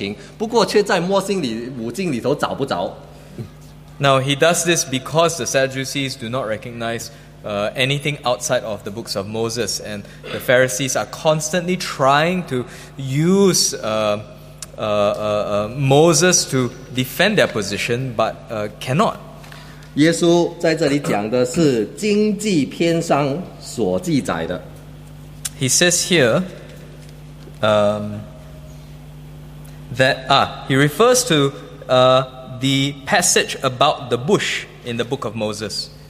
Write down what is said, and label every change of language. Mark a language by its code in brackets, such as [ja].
[zh] 因为法利赛人就是常常与这个撒都该人在这里争辩，就是诗篇等等的。不过撒都该人他们拒绝其他的经文，他们只接受摩西五经。法利赛人常常想要用这个摩西五经来证明有复活的事情，不过却在摩西五经里头找不着。 [en] Now he does this because the Sadducees do not recognize anything outside of the books of Moses, and the Pharisees are constantly trying to use Moses to defend their position, but cannot. [zh] 耶稣在这里讲的是经济篇上所记载的。 [en] He says here he refers to the passage about the bush in the book of Moses.